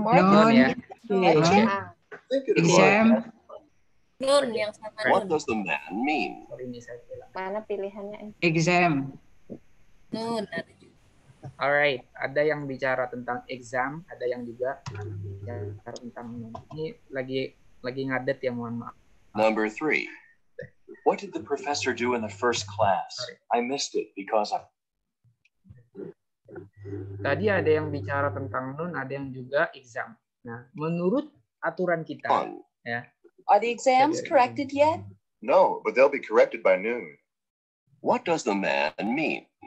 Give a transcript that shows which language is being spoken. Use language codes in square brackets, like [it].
[en] What does the man mean? [id] Mana pilihannya? [en] Exam. Noon. [id] Alright, ada yang bicara tentang exam, ada yang juga bicara tentang noon. Ini lagi ngadet ya, mohon maaf. [en] Number three. What did the professor do in the first class? Sorry. I missed it because I... [id] Tadi ada yang bicara tentang noon, ada yang juga exam. Nah, menurut aturan kita, ya. [en] Are the exams corrected yet? No, but they'll be corrected by noon. What does the man mean?